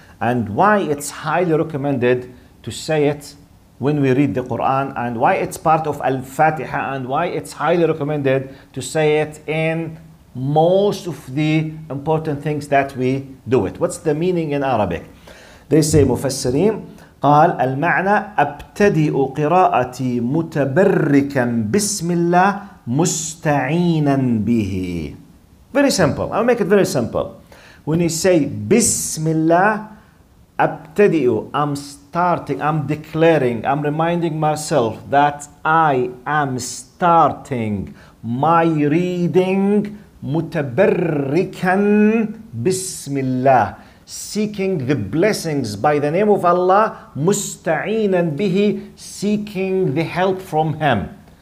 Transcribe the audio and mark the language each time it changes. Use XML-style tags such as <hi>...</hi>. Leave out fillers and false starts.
<en>And why it's highly recommended to say it when we read the Quran, and why it's part of Al-Fatiha, and why it's highly recommended to say it in most of the important things that we do it. What's the meaning in Arabic? They say Mufassirin,</en> <ar>قال المعنى أبتدئ قراءتي متبركا بسم الله مستعينا به.</ar> <en>Very simple. I'll make it very simple. When you say بسم الله, أبتدئ, I'm starting, I'm declaring, I'm reminding myself that I am starting my reading</en> <ar>متبركا بسم الله,</ar> <en>seeking the blessings by the name of Allah,</en> <ar>musta'inan bihi,</ar> <en>seeking the help from Him.</en>